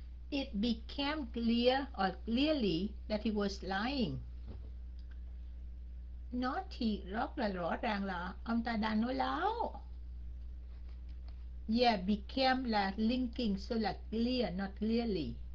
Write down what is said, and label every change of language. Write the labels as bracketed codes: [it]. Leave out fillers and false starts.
[en] It became clear or clearly that he was lying. [vi] Nó thì rất là rõ ràng là ông ta đang nói láo. [en] Yeah, became [vi] là [en] linking, so là clear, not clearly.